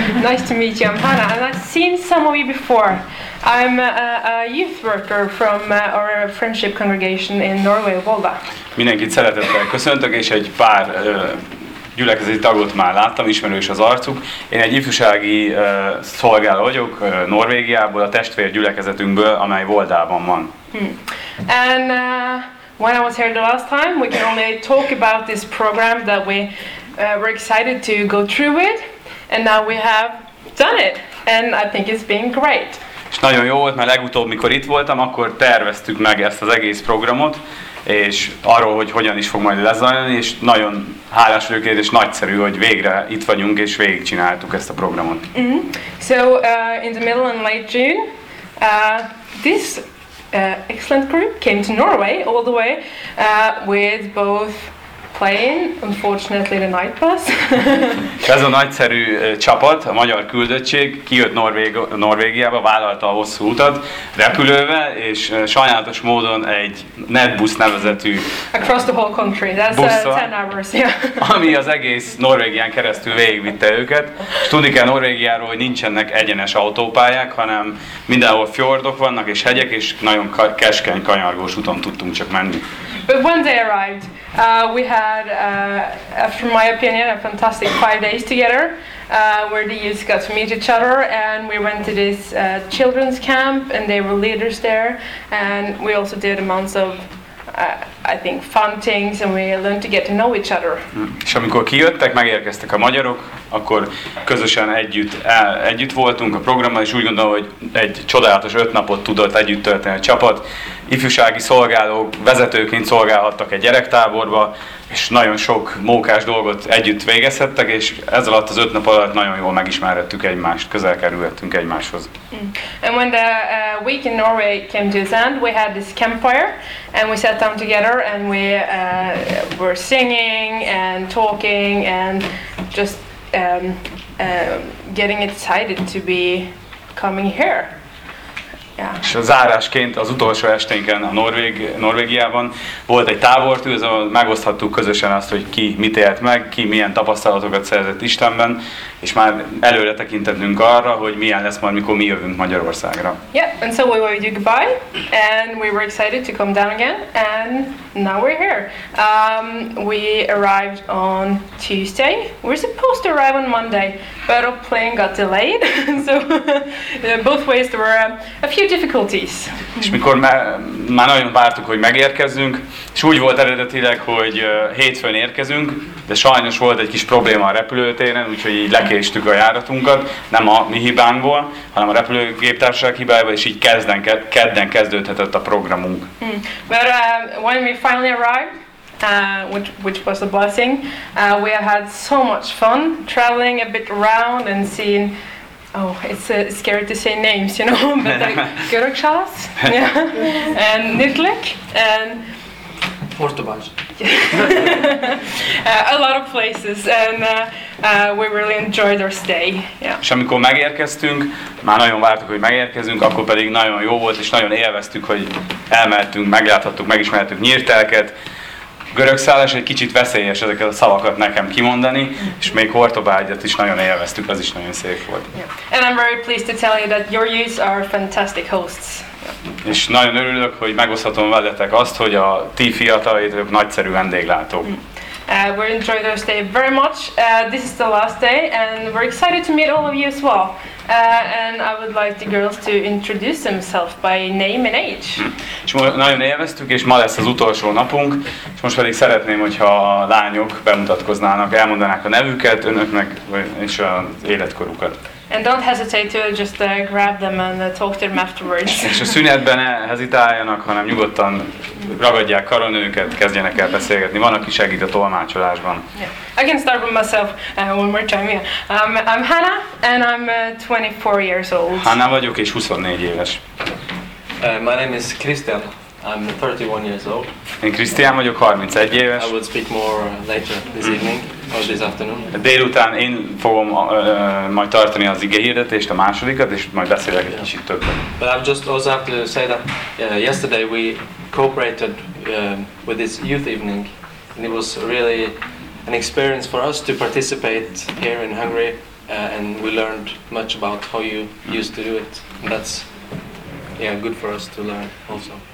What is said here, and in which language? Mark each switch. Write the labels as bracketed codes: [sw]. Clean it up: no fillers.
[en] Nice to meet you, I'm Hannah, and I've seen some of you before. I'm a youth worker from our friendship congregation in Norway, Volda. [hu] Mindenkit szeretettel köszöntök, és egy pár gyülekezeti tagot már láttam, ismerős az arcuk. Én egy ifjúsági szolgáló vagyok Norvégiából, a testvér gyülekezetünkből, amely Voldában van. [en] And when I was here the last time, we can only talk about this program that we were excited to go through with, and now we have done it, and I think it's been great. [hu] És nagyon jó volt, mert legutóbb, mikor itt voltam, akkor terveztük meg ezt az egész programot, és arról, hogy hogyan is fog majd lezajlani, és nagyon hálás vagyok, és nagyszerű, hogy végre itt vagyunk, és végig csináltuk ezt a programot. Mm-hmm. [en] So, in the middle and late June, this excellent group came to Norway all the way with both plane, unfortunately the night bus. [hu] Ez a nagyszerű csapat, a magyar küldöttség kijött Norvégiába, vállalta a hosszú utat repülővel, és sajnálatos módon egy Netbus nevezetű [en] across the whole country, that's [hu] busszal, [en] 10 hours, yeah. [hu] Ami az egész Norvégián keresztül végigvitte őket. És tudni kell Norvégiáról, hogy nincsenek egyenes autópályák, hanem mindenhol fjordok vannak és hegyek, és nagyon keskeny, kanyargós úton tudtunk csak menni. [en] But when they arrived, we had, after my opinion, a fantastic 5 days together, where the youth got to meet each other, and we went to this children's camp, and they were leaders there, and we also did a month of I think fun things, and we learned to get to know each other. [hu] És amikor kijöttek, megérkeztek a magyarok, akkor közösen együtt voltunk a programban, és úgy gondolom, hogy egy csodálatos 5 napot tudott együtt tölteni a csapat. Ifjúsági szolgálók vezetőként szolgálhattak egy gyerektáborba, és nagyon sok mókás dolgot együtt végezhettek, és ez alatt az 5 nap alatt nagyon jól megismerhettük egymást, közel kerülhettünk egymáshoz. [en] And when the week in Norway came to its end, we had this campfire, and we sat down together, and we were singing and talking and just getting excited to be coming here. Yeah. [hu] És a zárásként az utolsó esténken a Norvégiában volt egy tábortű, ez megoszthattuk közösen azt, hogy ki mit élt meg, ki milyen tapasztalatokat szerzett Istenben, és már előre tekintettünk arra, hogy milyen lesz majd, mikor mi jövünk Magyarországra. [en] Yeah, and so we waved goodbye, and we were excited to come down again, and now we're here. We arrived on Tuesday. We're supposed to arrive on Monday, but our plane got delayed, so both ways there were a few difficulties. [hu] És mikor már nagyon vártuk, hogy megérkezzünk, és úgy volt eredetileg, hogy hétfőn érkezünk, de sajnos volt egy kis probléma a repülőtéren, úgyhogy így lekéstük a járatunkat, nem a mi hibánkból, hanem a repülőgéptársaság hibájából, és így kedden kezdődhetett a programunk. [en] But when we finally arrived, which was a blessing, we had so much fun traveling a bit around and seeing. Oh, it's scary to say names, you know, but like Görögsalas, yeah, and Nitlik, and Portobaj. a lot of places, and we really enjoyed our stay. Yeah. [hu] És amikor megérkeztünk, már nagyon vártuk, hogy megérkezünk, akkor pedig nagyon jó volt, és nagyon élveztük, hogy elmehettünk, megláthattuk, megismerhettük Nyírtelket. Görögszállás egy kicsit veszélyes ezeket a szavakat nekem kimondani, és még Hortobágyat is nagyon élveztük, az is nagyon szép volt. [en] Yeah. And I'm very pleased to tell you that your youth are fantastic hosts. [hu] És nagyon örülök, hogy megoszthatom veletek azt, hogy a ti fiataljátok nagyszerű vendéglátók. [en] We enjoyed our stay very much. This is the last day, and we're excited to meet all of you as well. And I would like the girls to introduce themselves by name and age. [hu] És nagyon élveztük, és ma lesz az utolsó napunk, és most pedig szeretném, hogyha a lányok bemutatkoznának, elmondanák a nevüket, önöknek és az életkorukat. [en] And don't hesitate to just grab them and talk to them afterwards. [hu] És a szünetben ne hezitáljanak, hanem nyugodtan ragadják karon őket, kezdjenek el beszélgetni. Van, aki segít a tolmácsolásban. [en] Yeah. I can start with myself one more time. Yeah. I'm Hannah, and I'm 24 years old. [hu] Hannah vagyok, és 24 éves. [en] My name is Christian. I'm 31 years old. [hu] Én Christian vagyok, 31 éves. [en] I will speak more later this evening. Or this afternoon. [hu] Délután én fogom majd tartani az igehirdetést, a másodikat, és majd beszélek egy kicsit többen. [en] But I just also have to say that yesterday we cooperated with this youth evening, and it was really an experience for us to participate here in Hungary, and we learned much about how you used to do it. And that's yeah, good for us to learn also.